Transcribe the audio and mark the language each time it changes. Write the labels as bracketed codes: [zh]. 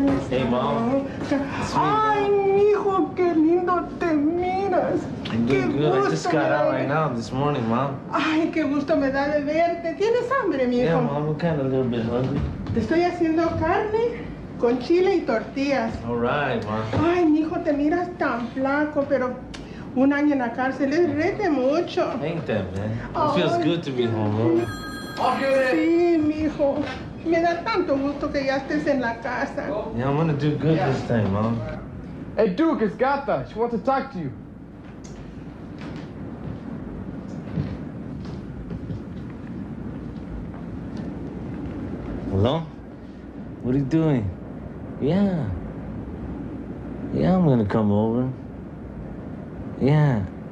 [en] Hey, mom. [es] Ay, mijo, qué lindo te miras. [en] I'm doing good. I just got out right now, this morning, Mom. [es] Ay, qué gusto me da de verte. ¿Tienes hambre, mijo? [en] Yeah, Mom, I'm kind of a little bit hungry. [es] Te estoy haciendo carne con chile y tortillas. [en] All right, Mom. [es] Ay, mijo, te miras tan flaco, pero un año en la cárcel es rete mucho. [en] Ain't that, man. It feels good to be home, Mom. [es] Sí, mijo. Me da tanto gusto que ya estés en la casa. [en] Yeah, I'm gonna do good this time, Mom. Hey, Duke, it's Gata. She wants to talk to you. Hello? What are you doing? Yeah, I'm gonna come over. Yeah.